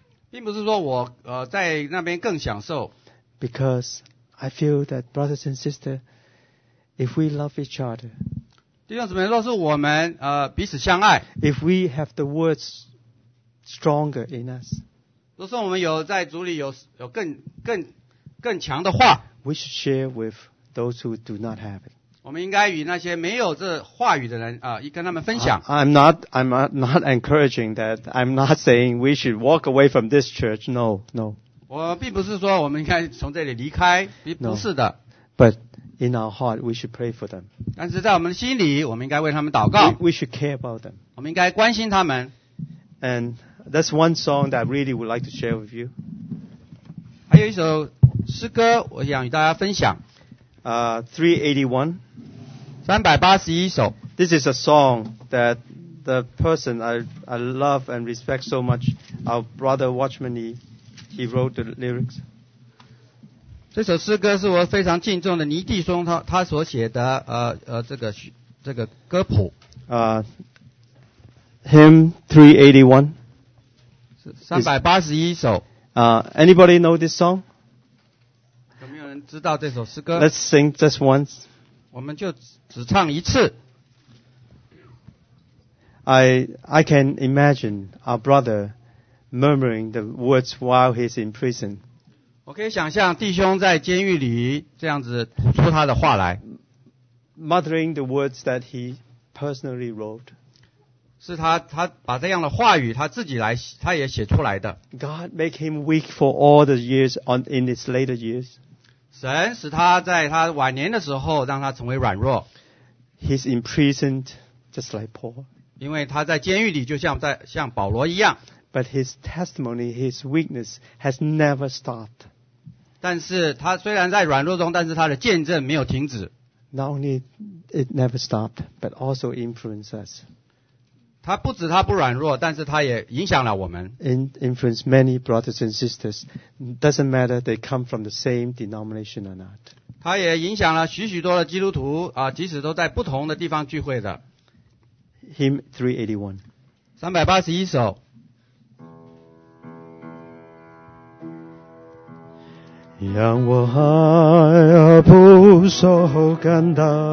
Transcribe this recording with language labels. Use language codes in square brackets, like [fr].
[zh] 并不是说我在那边更享受。 [en] Because I feel that brothers and sisters, if we love each other. [zh] 弟兄姊妹，若是我们彼此相爱。 [en] If we have the words stronger in us. [zh] 若是我们有在主里有更强的话。 [en] We should share with those who do not have it. [zh] 我们应该与那些没有这话语的人跟他们分享。 [en] I'm not encouraging that. I'm not saying we should walk away from this church. No, no. [zh] 我并不是说我们应该从这里离开，不是的。 [en] No, but in our heart, we should pray for them. [zh] 但是在我们心里，我们应该为他们祷告。 [en] We should care about them. [zh] 我们应该关心他们。 [en] And that's one song that I really would like to share with you. [zh] 还有一首诗歌我想与大家分享。 [en] 381 [zh] 首。 [en] This is a song that the person I love and respect so much, our brother Watchman Nee, he wrote the lyrics. [zh] 这首诗歌是我非常敬重的尼弟兄 他所写的这个歌谱。 [en] Hymn [zh] 381. 是381首。 [en] Anybody know this song? [zh] 知道这首诗歌。 [en] Let's sing just once. [zh] 我们就只唱一次。 [en] I can imagine our brother murmuring the words while he's in prison. [zh] 我可以想象弟兄在监狱里这样子吐出他的话来。 [en] Muttering the words that he personally wrote. [zh] 是他把这样的话语他也写出来的。 [en] God make him weak for all the years in his later years. [zh] 神使他在他晚年的时候让他成为软弱。 [en] He's imprisoned just like Paul. [zh] 因为他在监狱里就像保罗一样。 [en] But his testimony, his weakness has never stopped. [zh] 但是他虽然在软弱中但是他的见证没有停止。 [en] Not only it never stopped, but also influenced us. [zh] 他不止他不软弱但是他也影响了我们。 [en] Influence many brothers and sisters. Doesn't matter they come from the same denomination or not. [zh] 他也影响了许许多的基督徒即使都在不同的地方聚会的。 [en] Hymn [zh] 381. 381首。让我爱而不受感到。